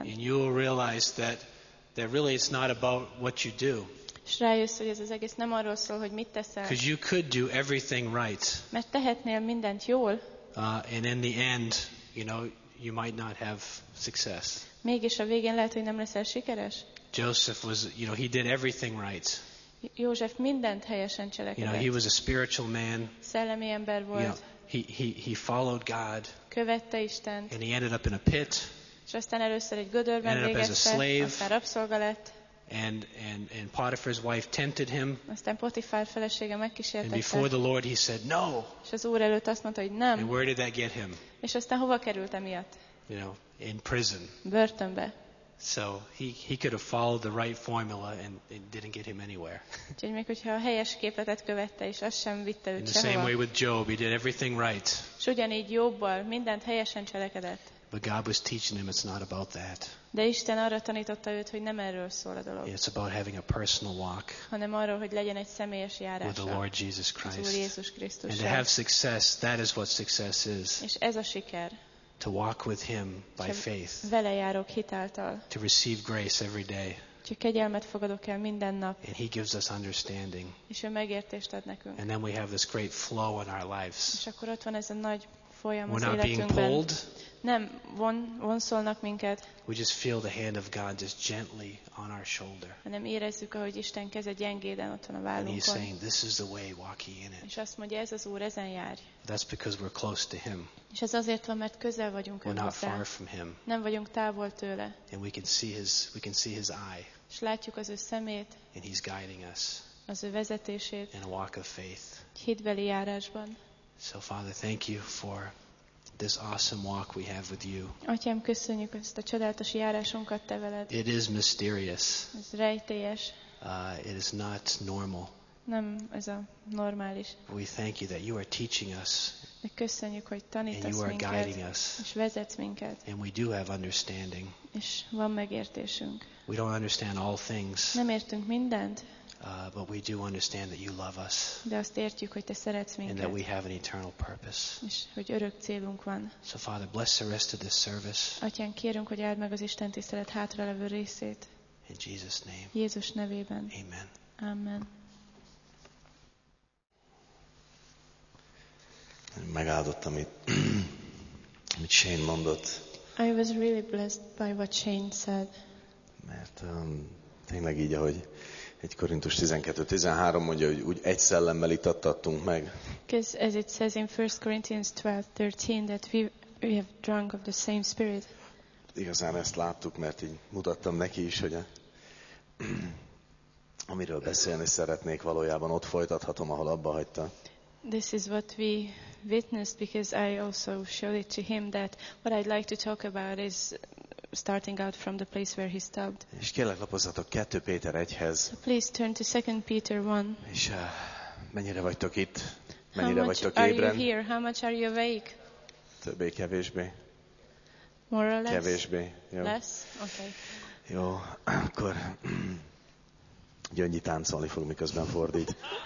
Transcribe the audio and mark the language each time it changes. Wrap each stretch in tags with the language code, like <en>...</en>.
<en>And you will realize that that really it's not about what you do.</en> <hu>És rájössz, hogy ez az egész nem arról szól, hogy mit teszel.</hu> <en>Because you could do everything right.</en> <hu>Mert tehetnél mindent jól.</hu> <en>And in the end, you know, you might not have success.</en> <hu>Mégis a végén lehet, hogy nem leszel sikeres.</hu> <en>Joseph was, you know, he did everything right.</en> <hu>József mindent helyesen cselekedett.</hu> <en>You know, he was a spiritual man.</en> <hu>Szellemi ember volt.</hu> <en>You know, he followed God.</en> <hu>Követte Istent.</hu> <en>And he ended up in a pit.</en> <hu>És aztán először egy gödörben végezte.</hu> <en>Ended up as a slave.</en> <hu>Aztán rabszolga lett.</hu> <en>And Potiphar's wife tempted him.</en> <hu>Aztán Potifár felesége megkísértette.</hu> <en>And before the Lord he said no.</en> <hu>És az Úr előtt azt mondta, hogy nem.</hu> <en>And where did that get him?</en> <hu>És aztán hova került emiatt?</hu> <en>You know, in prison.</en> <hu>Börtönbe.</hu> <en>So he could have followed the right formula and it didn't get him anywhere.</en> <hu>Úgyhogy még hogyha a helyes képletet követte, és az sem vitte őt sehova.</hu> <en>The same way with Job, he did everything right.</en> <hu>És ugyanígy Jobbal mindent helyesen cselekedett.</hu> <en>But God was teaching him it's not about that.</en> <hu>De Isten arra tanította őt, hogy nem erről szól a dolog.</hu> <en>It's about having a personal walk.</en> <hu>Hanem arról, hogy legyen egy személyes járása.</hu> <en>With the Lord Jesus Christ.</en> <hu>Az Úr Jézus Krisztus.</hu> <en>And to have success, that is what success is.</en> <hu>És ez a siker.</hu> <en>To walk with him by faith.</en> <hu>Vele járok hitáltal.</hu> <en>To receive grace every day.</en> <hu>Csak kegyelmet fogadok el minden nap.</hu> <en>And he gives us understanding.</en> <hu>És ő megértést ad nekünk.</hu> <en>And then we have this great flow in our lives.</en> <hu>És akkor ott van ez a nagy folyam az életünkben.</hu> <en>We're not being pulled.</en> <hu>Nem vonszolnak minket.</hu> <en>We just feel the hand of God just gently on our shoulder.</en> <hu>Hanem érezzük, ahogy Isten keze gyengéden ott van a vállunkon.</hu> <en>And he's saying, this is the way, walk ye in it.</en> <hu>És azt mondja, ez az Úr, ezen járj.</hu> <en>That's because we're close to him.</en> <hu>És ez azért van, mert közel vagyunk hozzá.</hu> <en>We're not far from him.</en> <hu>Nem vagyunk távol tőle.</hu> <en>And we can see his eye.</en> <hu>És látjuk az ő szemét.</hu> <en>And he's guiding us.</en> <hu>Az ő vezetését.</hu> <en>In a walk of faith.</en> <hu>Hitbeli járásban.</hu> <en>So Father, thank you for this awesome walk we have with you.</en> <hu>Atyám, köszönjük ezt a csodálatos járásunkat te veled.</hu> <en>It is mysterious.</en> <hu>Ez rejtélyes.</hu> <en>It is not normal.</en> <hu>Nem ez a normális.</hu> <en>We thank you that you are teaching us.</en> <hu>De köszönjük, hogy tanítasz minket.</hu> <en>And you are guiding us.</en> <hu>És vezetsz minket.</hu> <en>And we do have understanding.</en> <hu>És van megértésünk.</hu> <en>We don't understand all things.</en> <hu>Nem értünk mindent.</hu> <en>But we do understand that you love us.</en> <hu>De azt értjük, hogy te szeretsz minket.</hu> <en>And that we have an eternal purpose.</en> <hu>És hogy örök célunk van.</hu> <en>So Father, bless the rest of this service.</en> <hu>Atyán, kérünk, hogy áld meg az istentisztelet hátralevő részét.</hu> <en>In Jesus name.</en> <hu>Jézus nevében.</hu> <en>Amen.</en> <hu>Amen. Megáldott, amit Shane mondott.</hu> <en>I was really blessed by what Shane said.</en> <hu>Mert tényleg így, ahogy 1 Korintus 12:13 mondja, hogy úgy egy szellemmel itattattunk meg.</hu> <en>Because as it says in 1 Corinthians 12:13 that we have drunk of the same spirit.</en> <hu>Igazán ezt láttuk, mert így mutattam neki is, hogy amiről beszélni szeretnék, valójában ott folytathatom, ahol abba hagyta.</hu> <en>This is what we witnessed because I also showed it to him that what I'd like to talk about is starting out from the place where he stopped.</en> <hu>És kérlek, lapozzatok 2 Péter 1-hez.</hu> <en>Please turn to 2 Peter 1.</en> <hu>És mennyire vagytok itt? Mennyire vagytok ébren?</hu> <en>How much are you here? How much are you awake?</en> <hu>Többé, kevésbé.</hu> <en>More or less?</en> <hu>Kevésbé. Jó.</hu> <en>Less? Okay.</en> <hu>Jó, akkor Gyöngyi táncolni fog, miközben fordít.</hu>